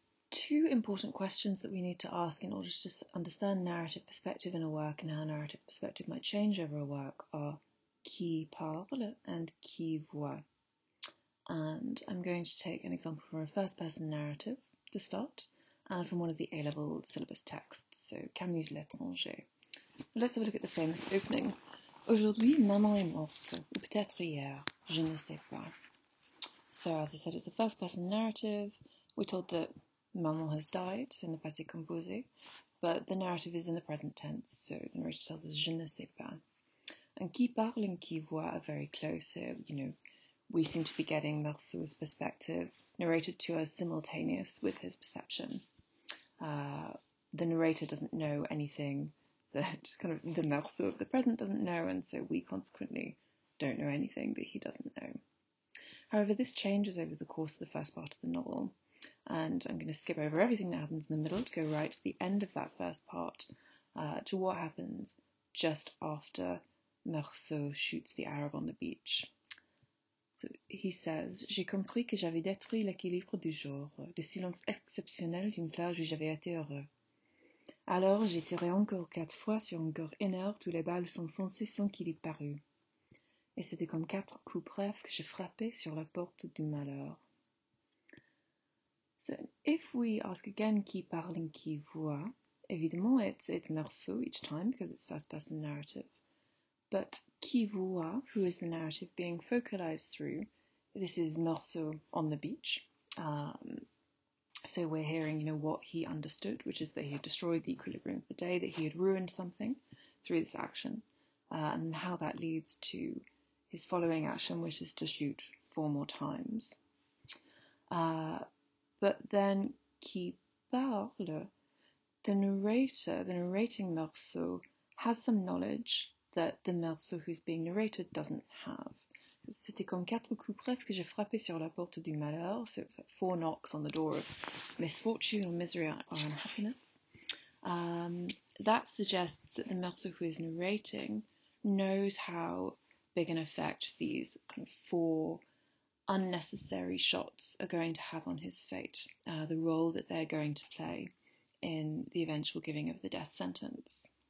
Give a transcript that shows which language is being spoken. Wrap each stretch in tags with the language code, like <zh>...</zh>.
<en>Two important questions that we need to ask in order to understand narrative perspective in a work and how narrative perspective might change over a work are</en> <fr>qui parle</fr> <en>and</en> <fr>qui voit.</fr> <en>And I'm going to take an example from a first person narrative to start and from one of the A-level syllabus texts, so Camus L'étranger. Let's have a look at the famous opening.</en> <fr>Aujourd'hui, maman est morte, ou peut-être hier, je ne sais pas.</fr> <en>So, as I said, it's a first person narrative. We're told that maman has died, so in the passé composé, but the narrative is in the present tense, so the narrator tells us</en> <fr>je ne sais pas.</fr> <en>And</en> <fr>qui parle</fr> <en>and</en> <fr>qui voit</fr> <en>are very close, so, you know, we seem to be getting Marceau's perspective narrated to us simultaneous with his perception. The narrator doesn't know anything that kind of the Marceau of the present doesn't know, and so we consequently don't know anything that he doesn't know. However, this changes over the course of the first part of the novel. And I'm going to skip over everything that happens in the middle to go right to the end of that first part, to what happens just after Marceau shoots the Arab on the beach.</en> <fr>So he says, j'ai compris que j'avais détruit l'équilibre du jour, le silence exceptionnel d'une plage où j'avais été heureux. Alors j'ai tiré encore quatre fois sur un corps inerte où les balles s'enfonçaient sans qu'il y parût. Et c'était comme quatre coups brefs que je frappais sur la porte du malheur.</fr> <en>So if we ask again,</en> <fr>qui parle et qui voit, évidemment</fr> <en>it's Marceau each time because it's first person narrative. But</en> <fr>qui voit,</fr> <en>who is the narrative being focalized through, this is Marceau on the beach. So we're hearing, you know, what he understood, which is that he had destroyed the equilibrium of the day, that he had ruined something through this action, and how that leads to his following action, which is to shoot four more times. But then,</en> <fr>qui parle,</fr> <en>the narrator, the narrating Marceau, has some knowledge that the Marceau who's being narrated doesn't have.</en> <fr>C'était comme quatre coups brefs que j'ai frappé sur la porte du malheur.</fr> <en>So it's like four knocks on the door of misfortune or misery or unhappiness. That suggests that the Marceau who is narrating knows how big an effect these kind of four unnecessary shots are going to have on his fate, the role that they're going to play in the eventual giving of the death sentence.</en>